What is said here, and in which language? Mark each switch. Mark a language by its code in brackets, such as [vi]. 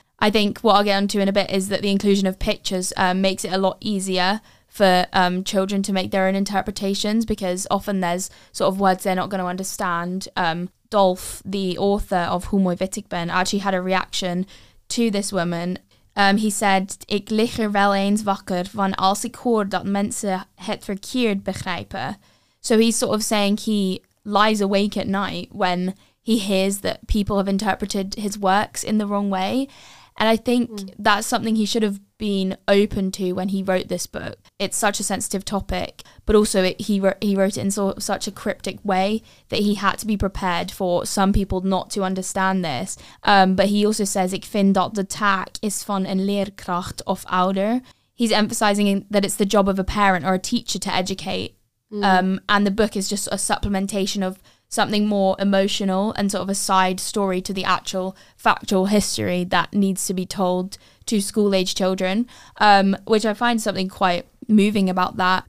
[en] I think what I'll get onto in a bit is that the inclusion of pictures makes it a lot easier for children to make their own interpretations, because often there's sort of words they're not going to understand. Dolph, the author of Hoe Mooi Wit Ik Ben, actually had a reaction to this woman. He said, [nl] "Ik lig er wel eens wakker van als ik hoor dat mensen het verkeerd begrijpen." [en] So he's sort of saying he lies awake at night when he hears that people have interpreted his works in the wrong way. And I think that's something he should have been open to when he wrote this book. It's such a sensitive topic, but also he wrote it in sort of such a cryptic way that he had to be prepared for some people not to understand this. But he also says, [nl] "Ik vind dat de taak is van een leerkracht of ouder." [en] He's emphasizing that it's the job of a parent or a teacher to educate. And the book is just a supplementation of something more emotional and sort of a side story to the actual factual history that needs to be told to school-age children, which I find something quite moving about that.